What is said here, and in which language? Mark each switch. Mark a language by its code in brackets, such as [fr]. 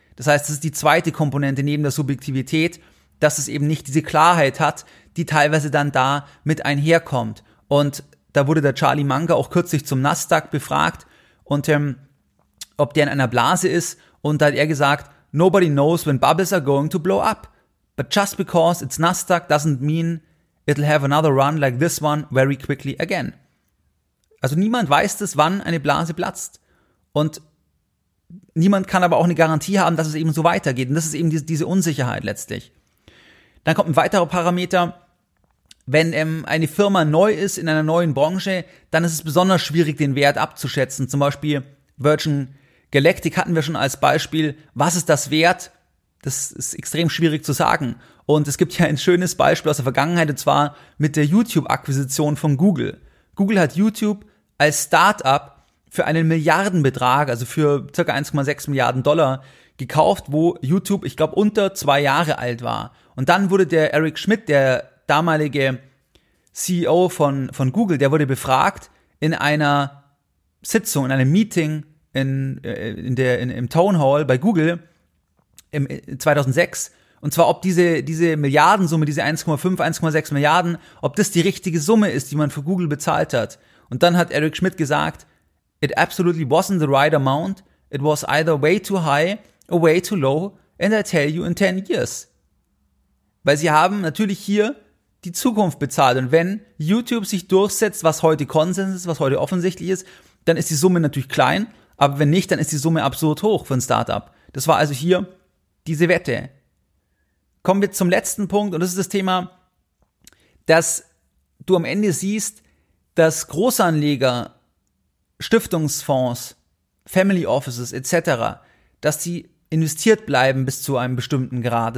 [de] Das heißt, das ist die zweite Komponente neben der Subjektivität, dass es eben nicht diese Klarheit hat, die teilweise dann da mit einherkommt. Und da wurde der Charlie Munger auch kürzlich zum Nasdaq befragt und ob der in einer Blase ist. Und da hat er gesagt, [en] nobody knows when bubbles are going to blow up. But just because it's Nasdaq doesn't mean it'll have another run like this one very quickly again. [de] Also niemand weiß es, wann eine Blase platzt. Und niemand kann aber auch eine Garantie haben, dass es eben so weitergeht. Und das ist eben diese Unsicherheit letztlich. Dann kommt ein weiterer Parameter. Wenn eine Firma neu ist in einer neuen Branche, dann ist es besonders schwierig, den Wert abzuschätzen. Zum Beispiel Virgin Galactic hatten wir schon als Beispiel. Was ist das wert? Das ist extrem schwierig zu sagen. Und es gibt ja ein schönes Beispiel aus der Vergangenheit, und zwar mit der YouTube-Akquisition von Google. Google hat YouTube als Startup für einen Milliardenbetrag, also für ca. 1,6 Milliarden Dollar, gekauft, wo YouTube, ich glaube, unter 2 Jahre alt war. Und dann wurde der Eric Schmidt, der damalige CEO von Google, der wurde befragt in einer Sitzung, in einem Meeting im Town Hall bei Google im 2006, und zwar, ob diese Milliardensumme, diese 1,5, 1,6 Milliarden, ob das die richtige Summe ist, die man für Google bezahlt hat. Und dann hat Eric Schmidt gesagt, [en] it absolutely wasn't the right amount, it was either way too high or way too low, and I tell you in 10 years. [de] Weil sie haben natürlich hier die Zukunft bezahlt. Und wenn YouTube sich durchsetzt, was heute Konsens ist, was heute offensichtlich ist, dann ist die Summe natürlich klein, aber wenn nicht, dann ist die Summe absurd hoch für ein Startup. Das war also hier diese Wette. Kommen wir zum letzten Punkt, und das ist das Thema, dass du am Ende siehst, dass Großanleger, Stiftungsfonds, Family Offices etc., dass die investiert bleiben bis zu einem bestimmten Grad.